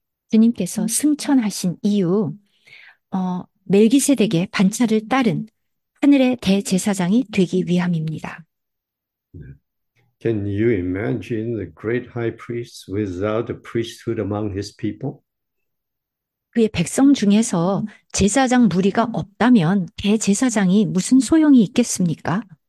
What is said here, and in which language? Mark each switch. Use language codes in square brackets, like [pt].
[ko] 주님께서 승천하신 이후 멜기세덱의 반차를 따른 하늘의 대제사장이 되기 위함입니다. [en] Can you imagine the great high priest without a priesthood among his people? [ko] 그의 백성 중에서 제사장 무리가 없다면 대제사장이 무슨 소용이 있겠습니까?